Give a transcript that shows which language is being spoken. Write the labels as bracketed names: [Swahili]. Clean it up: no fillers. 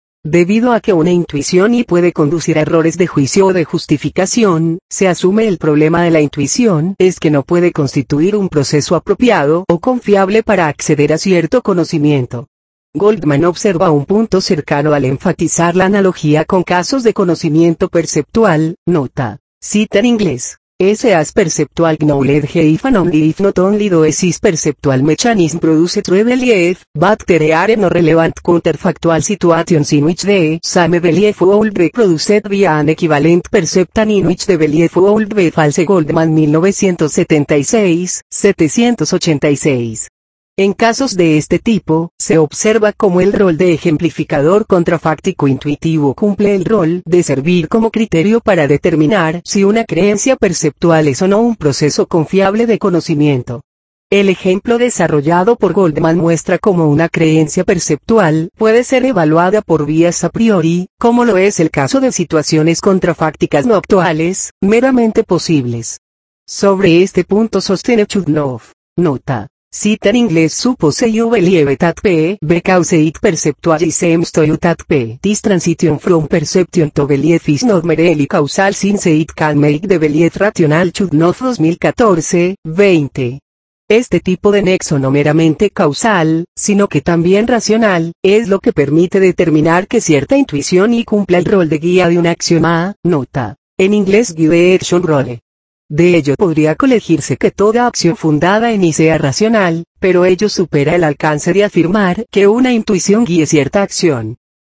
[Spanish] Debido a que una intuición y puede conducir a errores de juicio o de justificación, se asume el problema de la intuición es que no puede constituir un proceso apropiado o confiable para acceder a cierto conocimiento. Goldman observa un punto cercano al enfatizar la analogía con casos de conocimiento perceptual, nota. Cita en inglés. [English] Ese as perceptual knowledge if and only if not only do esis perceptual mechanism produce true belief, but there are no relevant counterfactual situations in which the same belief would be produced via an equivalent perception in which the belief would be false. [Spanish] Goldman 1976, 786. En casos de este tipo, se observa cómo el rol de ejemplificador contrafáctico intuitivo cumple el rol de servir como criterio para determinar si una creencia perceptual es o no un proceso confiable de conocimiento. El ejemplo desarrollado por Goldman muestra cómo una creencia perceptual puede ser evaluada por vías a priori, como lo es el caso de situaciones contrafácticas no actuales, meramente posibles. Sobre este punto sostiene Chudnov. Nota. Cita en inglés [English] suppose you believe that P, because it perceptual is seems to you that P, this transition from perception to belief is not merely causal since it can make the belief rational. [Spanish] Chudnov 2014, 20. Este tipo de nexo no meramente causal, sino que también racional, es lo que permite determinar que cierta intuición y cumpla el rol de guía de un axioma, nota. En inglés [English] guide action role. [Spanish] De ello podría colegirse que toda acción fundada en I sea racional, pero ello supera el alcance de afirmar que una intuición guíe cierta acción.